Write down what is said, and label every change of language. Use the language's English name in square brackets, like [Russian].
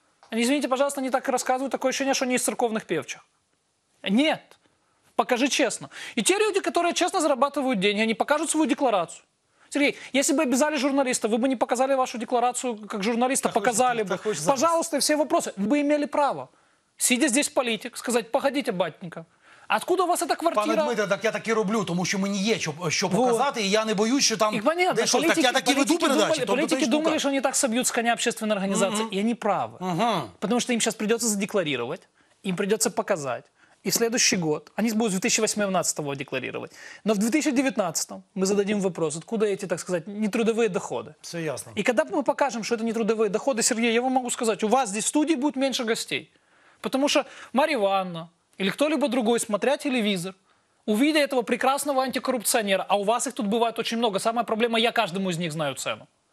[Russian] Они, извините, пожалуйста, не так и рассказывают, такое ощущение, что они из церковных певчих. Нет. Покажи честно. И те люди, которые честно зарабатывают деньги, они покажут свою декларацию. Сергей, если бы обязали журналиста, вы бы не показали вашу декларацию как журналиста, показали бы. Пожалуйста, все вопросы. Вы бы имели право, сидя здесь политик, сказать, погодите, батенька, откуда у вас эта квартира? [Ukrainian] Пане Дмитре, так я так и роблю, тому що мені є, що показати, і я не боюсь, що там... [Russian] Понятно, [Ukrainian] так я так і веду передачі. Політики думали, що вони так соб'ють з коня общественної організації, і вони праві. Тому що їм зараз прийдеться задекларувати, їм прийдеться показати. [Russian] И следующий год, они будут с 2018-го декларировать, но в 2019-м мы зададим вопрос, откуда эти, так сказать, нетрудовые доходы. Все ясно. И когда мы покажем, что это нетрудовые доходы, Сергей, я вам могу сказать, у вас здесь в студии будет меньше гостей. Потому что Марья Ивановна или кто-либо другой, смотря телевизор, увидя этого прекрасного антикоррупционера, а у вас их тут бывает очень много, самая проблема, я каждому из них знаю цену.